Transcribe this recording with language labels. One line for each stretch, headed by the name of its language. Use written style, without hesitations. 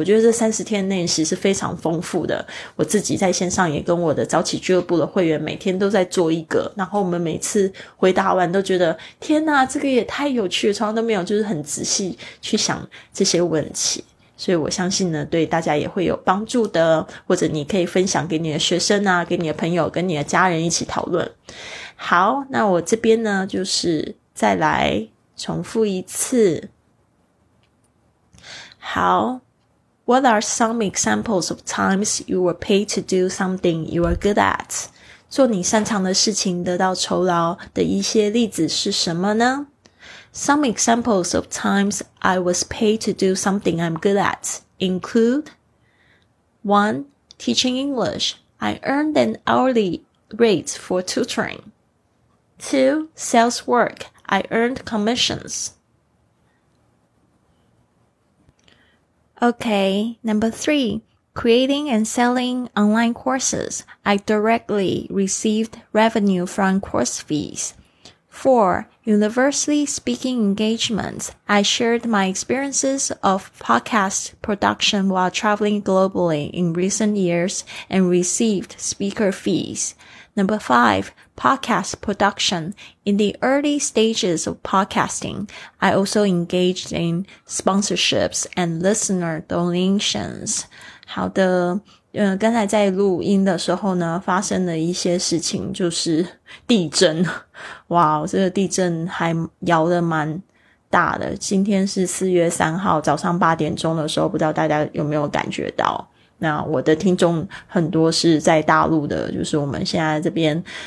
Chinese: 我觉得这30天练习是非常丰富的，我自己在线上也跟我的早起俱乐部的会员每天都在做一个，然后我们每次回答完都觉得天哪这个也太有趣了，从来都没有就是很仔细去想这些问题，所以我相信呢对大家也会有帮助的，或者你可以分享给你的学生啊，给你的朋友，跟你的家人一起讨论。好，那我这边呢就是再来重复一次。好，
English: What are some examples of times you were paid to do something you are good at?
Chinese: 做你擅长的事情得到酬劳的一些例子是什么呢？
English: Some examples of times I was paid to do something I'm good at include 1. Teaching English. I earned an hourly rate for tutoring. 2. Sales work. I earned commissions. Okay, number 3. Creating and selling online courses. I directly received revenue from course fees. 4. University speaking engagements. I shared my experiences of podcast production while traveling globally in recent years and received speaker fees. Number 5. Podcast production. In the early stages of podcasting, I also engaged in sponsorships and listener donations.
Chinese: 好的，刚才在录音的时候呢发生了一些事情，就是地震，哇这个地震还摇得蛮大的，今天是4月3号早上8点钟的时候，不知道大家有没有感觉到，那我的听众很多是在大陆的，就是我们现在这边